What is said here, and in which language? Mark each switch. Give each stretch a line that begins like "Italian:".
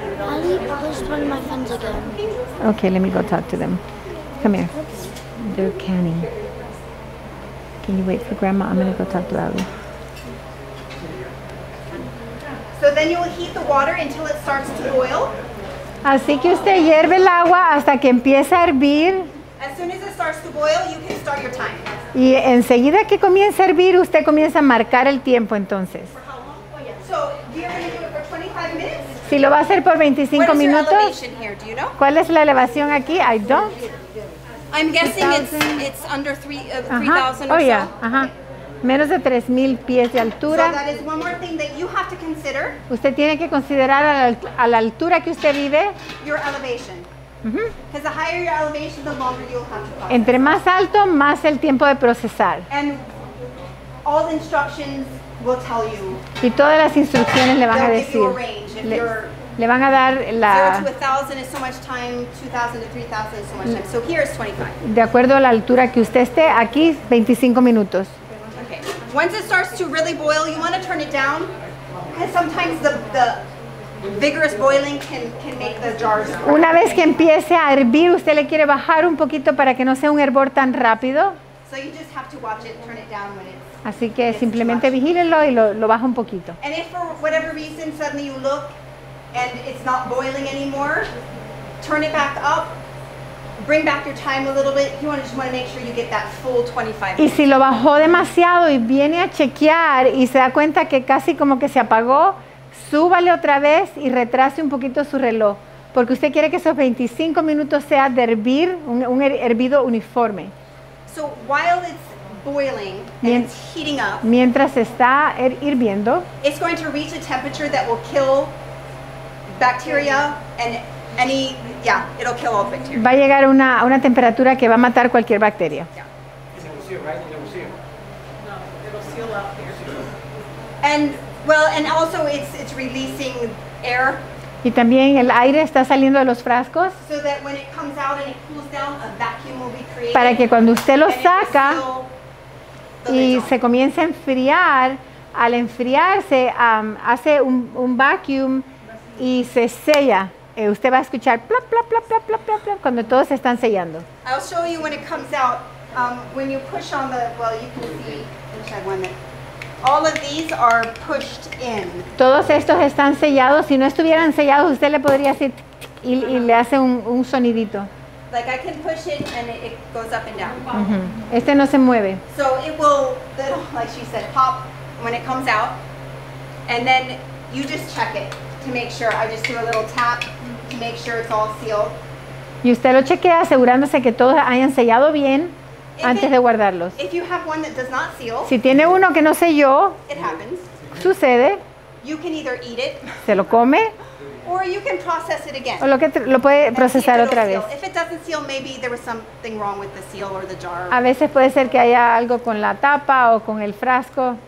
English: Ali pushed one of my friends again. Okay, let me go talk to them. Come here. They're canning. Can you wait for grandma? I'm going to go talk to Ali. So then you will heat the water until it starts to boil.
Spanish: Así que usted hierve el agua hasta que empiece a hervir.
English: As soon as it starts to boil, you can start your timer.
Spanish: Y enseguida que comienza a hervir, usted comienza a marcar el tiempo entonces.
English: For how long? Oh, yeah. So, do you have to do it for 25 minutes?
Spanish: Si lo va a hacer por 25 minutos.
English: What is your elevation here? Do you know?
Spanish: ¿Cuál es la elevación aquí?
English: I don't. I'm guessing 2000? it's under 3,000 or oh, so. Oh, yeah.
Spanish: Uh-huh. Menos de 3,000 pies de altura.
English: So that is one more thing that you have to consider.
Spanish: Usted tiene que considerar a la altura que usted vive.
English: Your elevation. Because the higher your elevation, the longer you'll have to process.
Spanish: Entre más alto, más el tiempo de procesar.
English: And all the instructions will tell you.
Spanish: Y todas las instrucciones le van a decir.
English: They'll give you a range. Le
Spanish: van a dar la...
English: 0 to 1,000 is so much time, 2,000 to 3,000 is so much time. So here is 25.
Spanish: De acuerdo a la altura que usted esté, aquí 25 minutos.
English: Okay. Once it starts to really boil, you want to turn it down. Because sometimes the vigorous boiling can make the jars.
Spanish: Una vez que empiece a hervir, usted le quiere bajar un poquito para que no sea un hervor tan rápido.
English: So you just have to watch it, turn it down when it's.
Spanish: Así que simplemente vigílenlo y lo baja un poquito.
English: And if for whatever reason suddenly you look and it's not boiling anymore, turn it back up. Bring back your time a little bit. You want to just want to make sure you get that full 25 minutes.
Spanish: Y si lo bajó demasiado y viene a chequear y se da cuenta que casi como que se apagó, súbale otra vez y retrase un poquito su reloj, porque usted quiere que esos 25 minutos sea de hervir, un hervido uniforme.
English: So while it's boiling and it's heating up,
Spanish: mientras está hirviendo,
English: it's going to reach a temperature that will kill bacteria and any, yeah, it'll kill all bacteria.
Spanish: Va a llegar una temperatura que va a matar cualquier bacteria.
English: And well, and also it's releasing air.
Spanish: Y también el aire está saliendo de los frascos.
English: So that when it comes out and it cools down, a vacuum will be created.
Spanish: Para que cuando usted lo saca y se comience a enfriar, al enfriarse hace un vacuum y se sella. Usted va a escuchar plop, plop, plop, plop, plop, plop, plop, cuando todos se están sellando.
English: I'll show you when it comes out. When you push on the, well, you can see, which I wanted. All of these are pushed in.
Spanish: Todos estos están sellados. Si no estuvieran sellados, usted le podría decir y le hace un sonidito.
English: Like I can push it and it goes up and down.
Spanish: Mm-hmm. Este no se mueve.
English: So it will, like she said, pop when it comes out. And then you just check it to make sure. I just do a little tap to make sure it's all sealed.
Spanish: Y usted lo chequea asegurándose que todos hayan sellado bien antes de guardarlos.
English: If you have one that does not seal,
Spanish: si tiene uno que no selló,
English: it happens.
Spanish: Sucede.
English: You can either eat it,
Spanish: se lo come.
English: Or you can process it again.
Spanish: O lo puede procesar otra vez.
English: If it doesn't seal, maybe there was something wrong with the seal or the jar.
Spanish: A veces puede ser que haya algo con la tapa o con el frasco.